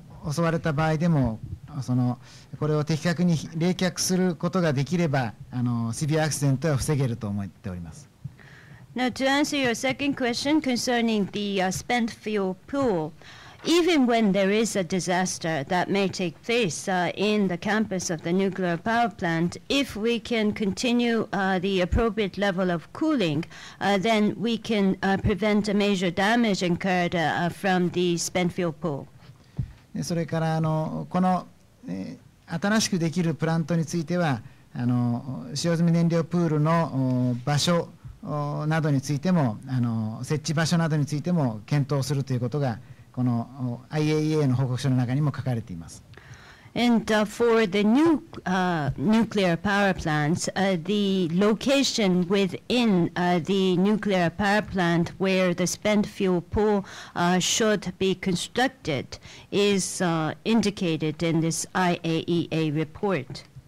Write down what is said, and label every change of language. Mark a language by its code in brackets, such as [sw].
[ja] 襲われた場合でもそのこれを的確に冷却することができればあのシビアアクシデントは防げると思っております。 [en] Now to answer your second question concerning the spent fuel pool, even when there is a disaster that may take place in the campus of the nuclear power plant, if we can continue the appropriate level of cooling, then we can prevent a major damage incurred from the spent fuel pool. [ja] それからあのこの新しくできるプラントについてはあの使用済み燃料プールの場所などについてもあの設置場所などについても検討するということがこの IAEA の報告書の中にも書かれています。 [en] And for the new nuclear power plants, the location within the nuclear power plant where the spent fuel pool should be constructed is indicated in this IAEA report.